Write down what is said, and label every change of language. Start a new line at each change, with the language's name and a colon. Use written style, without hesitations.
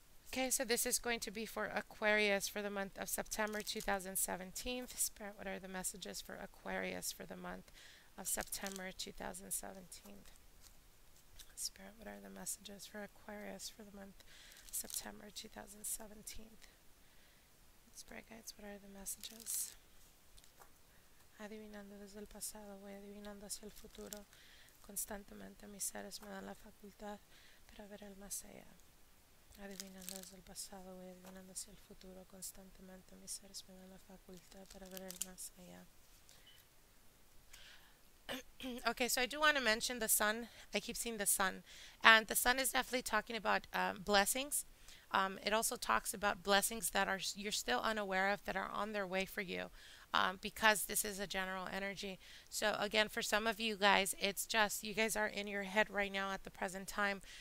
English: Okay, so this is going to be for Aquarius for the month of September 2017. Spirit, what are the messages for Aquarius for the month of September 2017? Spirit, what are the messages for Aquarius for the month of September 2017? Spirit guides, what are the messages?
Spanish: Adivinando desde el pasado, voy adivinando hacia el futuro. Constantemente mis seres me dan la facultad para ver el más allá. Adivinando desde el pasado, voy adivinando hacia el futuro. Constantemente mis seres me dan la facultad para ver el más allá.
English: Okay, so I do want to mention the sun. I keep seeing the sun. And the sun is definitely talking about blessings. It also talks about blessings that are you're still unaware of that are on their way for you. Because this is a general energy. So again, for some of you guys, it's just you guys are in your head right now at the present time.